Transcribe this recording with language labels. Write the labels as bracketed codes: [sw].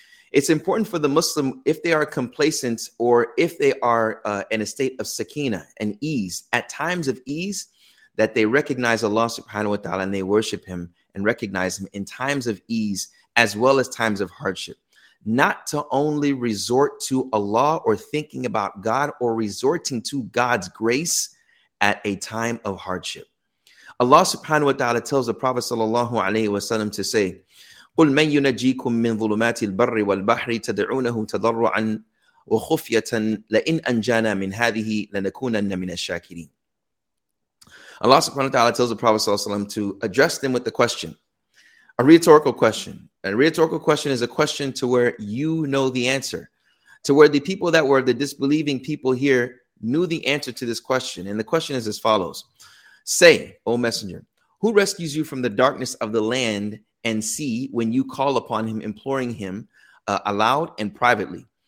[en] It's important for the Muslim, if they are complacent or if they are in a state of sakina and ease, at times of ease, that they recognize Allah subhanahu wa ta'ala and they worship him and recognize him in times of ease as well as times of hardship. Not to only resort to Allah or thinking about God or resorting to God's grace at a time of hardship. Allah subhanahu wa ta'ala tells the Prophet sallallahu alayhi wa sallam to say, [ar] قُلْ مَنْ يُنَجِيكُمْ مِنْ ظُلُمَاتِ الْبَرِّ وَالْبَحْرِ تَدْعُونَهُ تَضَرُّعًا وَخُفْيَةً لَإِنْ أَنْجَانَا مِنْ هَذِهِ لَنَكُونَنَّ مِنَ الشَّاكِرِينَ. [en] Allah subhanahu wa ta'ala tells the Prophet sallallahu alayhi wa sallam to address them with the question, a rhetorical question. A rhetorical question is a question to where you know the answer, to where the people that were the disbelieving people here knew the answer to this question. And the question is as follows. Say, O Messenger, who rescues you from the darkness of the land and sea when you call upon him, imploring him aloud and privately?